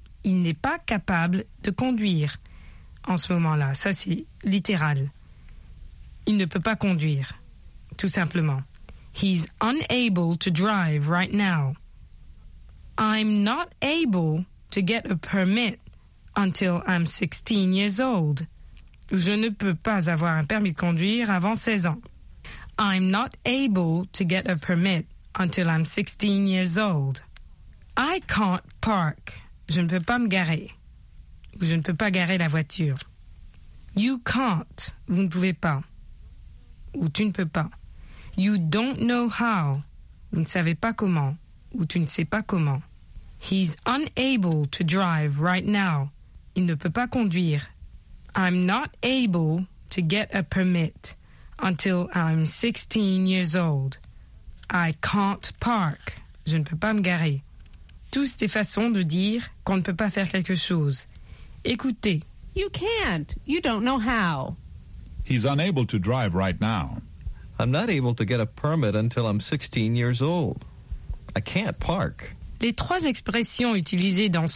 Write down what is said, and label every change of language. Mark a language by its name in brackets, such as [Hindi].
[French] Il n'est pas capable de conduire en ce moment-là. Ça, c'est littéral. Il ne peut pas conduire, tout simplement. [English] He's unable to drive right now. I'm not able to get a permit until I'm 16 years old. [French] Je ne peux pas avoir un permis de conduire avant 16 ans. [English] I'm not able to get a permit until I'm 16 years old. I can't park. [French] Je ne peux pas me garer. Ou je ne peux pas garer la voiture. [English] You can't. [French] Vous ne pouvez pas. Ou tu ne peux pas. [English] You don't know how. [French] Vous ne savez pas comment. Ou tu ne sais pas comment. [English] He's unable to drive right now. [French] Il ne peut pas conduire. [English] I'm not able to get a permit until I'm 16 years old. I can't park. [French] Je ne peux pas me garer. Tous des façons de dire qu'on ne peut pas faire quelque chose. Écoutez. [English] You can't. You don't know how. He's unable to drive right now. I'm not able to get a permit until I'm 16 years old. I can't park. [French] Les trois expressions utilisées dans ce